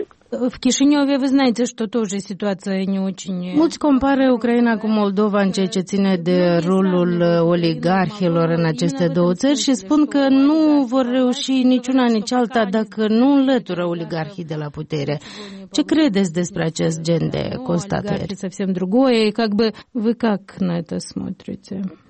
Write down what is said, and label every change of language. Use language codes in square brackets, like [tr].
[ru] В Кишиньове, вы знаете, что тоже ситуация не очень... [ro] Mulți compară Ucraina cu Moldova în ceea ce ține de rolul oligarhilor în aceste două țări și spun că nu vor reuși niciuna nici alta dacă nu înlătură oligarhii de la putere. Ce credeți despre acest gen de constatări? [ru] Совсем другое, и как бы вы как на это смотрите?